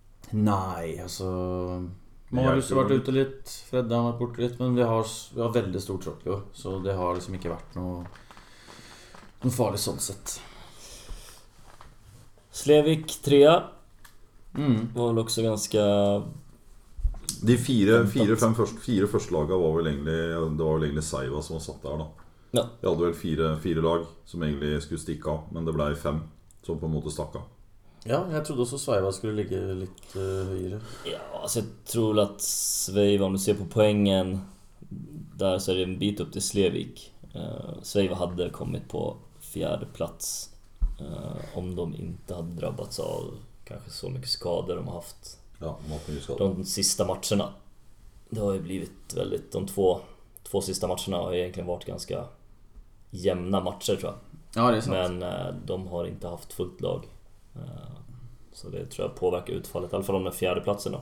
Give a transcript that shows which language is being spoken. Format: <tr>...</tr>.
<sv>Nej, alltså Marius har varit ute lite, Fredda har varit bort lite, men vi har väldigt stor tropp i år, så det har liksom inte varit någon farlig sån sätt. Slevik 3 var väl också ganska de fyra första lagen var väl egentligen, det var väl egentligen Saiva som var satt där då. Ja.</sv> <no>Vi hadde vel fire lag som egentlig skulle stikke av, men det ble fem som på en måte stakk av. Ja, jeg trodde også Sveiva skulle ligge litt høyere. Ja, altså jeg tror at Sveiva, om du ser på poengen, der så er det en bit opp til Slevik.</no> <sv>Sveiva hadde kommet på fjerde plats om de ikke hadde drabbats av kanskje så mye skader de har haft.</sv> <no>Ja, mange skader. De siste matchene, det har jo blivit väldigt de två.</no> <sv>Två sista matcherna har egentligen varit ganska jämna matcher, tror jag. Ja, det är sant. Men de har inte haft fullt lag. Så det tror jag påverkar utfallet, i alla fall de är fjärde platsen.</sv>